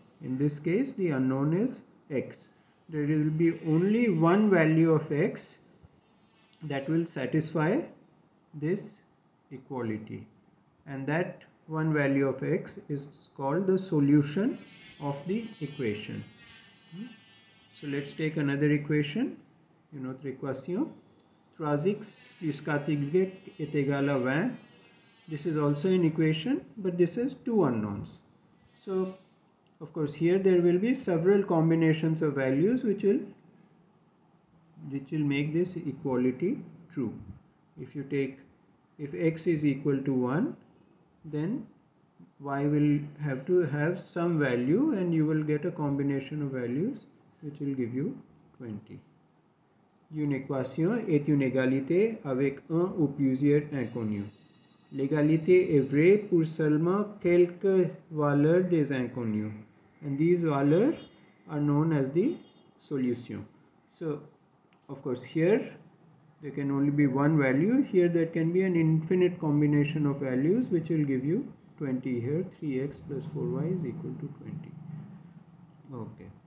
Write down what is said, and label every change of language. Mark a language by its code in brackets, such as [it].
[en] In this case, the unknown is x. There will be only one value of x that will satisfy this equality. And that one value of x is called the solution of the equation. So let's take another equation, [fr] une autre équation. 3x plus 4y est égal à 20. [en] This is also an equation, but this is two unknowns. So, of course, here there will be several combinations of values which will make this equality true. If x is equal to 1, then y will have to have some value, and you will get a combination of values which will give you 20. [fr] Une équation est une égalité avec un ou plusieurs inconnus. L'égalité est vraie pour seulement quelques valeurs des inconnus. [en] And these valeurs are known as the solution. So, of course, here there can only be one value. Here there can be an infinite combination of values which will give you 20. Here 3x plus 4y is equal to 20. Okay.